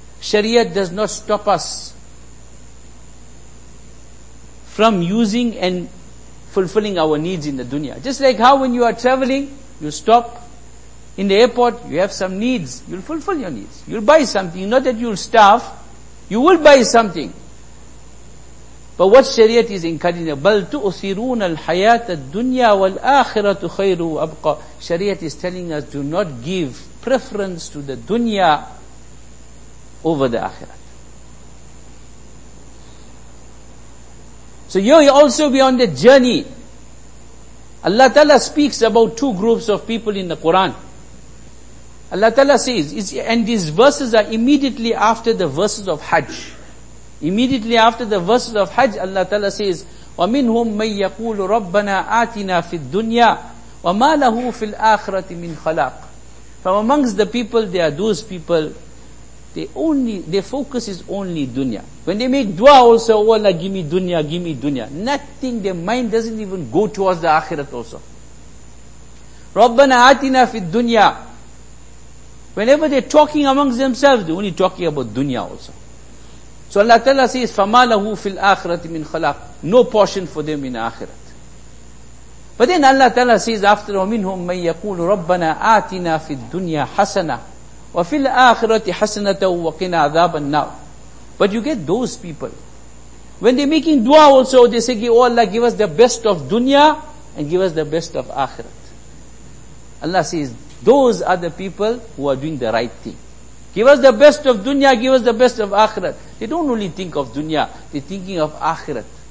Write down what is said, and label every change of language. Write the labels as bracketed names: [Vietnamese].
[English] Sharia does not stop us from using and fulfilling our needs in the dunya. Just like how when you are traveling, you stop in the airport, you have some needs, you'll fulfill your needs. You'll buy something, not that you'll starve, you will buy something. But what Sharia is encouraging, [Arabic] بَلْ تُؤْثِرُونَ الْحَيَاةَ الدُّنْيَا وَالْآخِرَةُ خَيْرُ وَأَبْقَى. [English] Sharia is telling us, do not give preference to the dunya over the akhirah. So you also be on the journey. Allah Ta'ala speaks about two groups of people in the Quran. Allah Ta'ala says, and these verses are immediately after the verses of Hajj. Immediately after the verses of Hajj, Allah Ta'ala says, [Arabic] وَمِنْهُمْ مَنْ يَقُولُ رَبَّنَا آتِنَا فِي الدُّنْيَا وَمَا لَهُ فِي الْآخِرَةِ مِنْ خَلَاقٍ. [English] From amongst the people, there are those people, their focus is only dunya. When they make dua also, oh Allah, give me dunya. Nothing, their mind doesn't even go towards the akhirat also. [Arabic] رَبَّنَا آتِنَا فِي الدُّنْيَا. [English] Whenever they're talking amongst themselves, they're only talking about dunya also. So Allah Ta'ala says, [Arabic] فَمَا لَهُ فِي الْآخِرَةِ مِنْ خَلَاقٍ. [English] No portion for them in akhirat. But then Allah Ta'ala says, after [Arabic] وَمِنْهُمْ مَنْ يَقُولُ رَبَّنَا آتِنَا فِي الدُّنْيَا حَسَنَةً وَفِي الْآخِرَةِ حَسَنَةً وَقِنَا عَذَابَ النَّارِ. [English] But you get those people. When they're making dua also, they say, oh Allah, give us the best of dunya and give us the best of akhirat. Allah says, those are the people who are doing the right thing. Give us the best of dunya, give us the best of akhirat. They don't only think of dunya, they're thinking of akhirat.